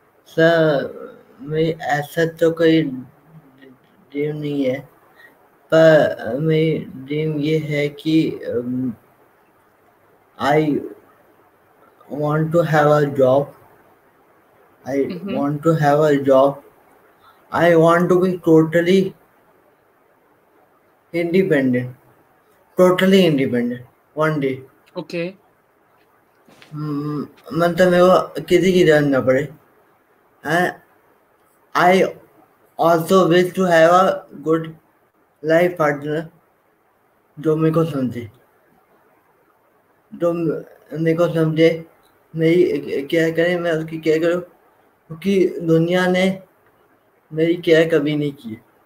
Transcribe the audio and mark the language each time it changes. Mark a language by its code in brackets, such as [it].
[hi] Sir, मेरी ऐसा तो कोई ड्रीम नहीं है, पर मेरी ड्रीम ये है कि [en] I want to have a job. I want to have a job. I want to be totally independent. Totally independent one day. Okay, [hi] मतलब मेरे को किसी की जरूरत ना पड़े. हाँ, [en] I also wish to have a good life partner, [hi] जो मेरे को समझे, जो मेरे को समझे, मेरी क्या करे, मैं उसकी क्या करूँ, क्योंकि दुनिया ने मेरी क्या कभी नहीं की.